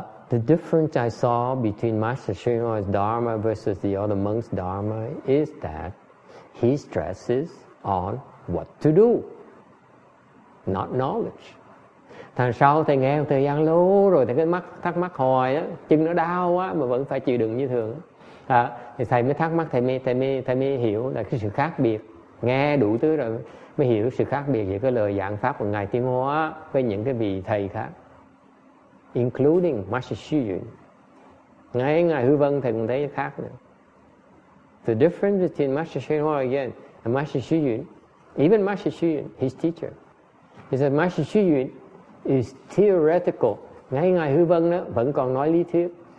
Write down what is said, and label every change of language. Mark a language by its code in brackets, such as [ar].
[en] The difference I saw between Master Shen Hoa's Dharma versus the other monk's Dharma is that he stresses on what to do, not knowledge. [vi] Thằng sau thầy nghe một thời gian lâu rồi thầy cứ thắc mắc hoài á, chân nó đau quá mà vẫn phải chịu đựng như thường. Thì thầy mới thắc mắc, thầy mới hiểu là cái sự khác biệt. Nghe đủ thứ rồi mới hiểu sự khác biệt giữa cái lời giảng pháp của Ngài Tiếng Hóa với những cái vị thầy khác. [en] Including Master Xu Yun. [vi] Ngay Ngài Hư Vân thầy cũng thấy khác nữa. [en] The difference between Master Shen Hoa again and Master Xu Yun, even Master Xu Yun, his teacher, is that Master Xu Yun is theoretical. [vi] Ngay Ngài Hư Vân vẫn còn nói lý thuyết.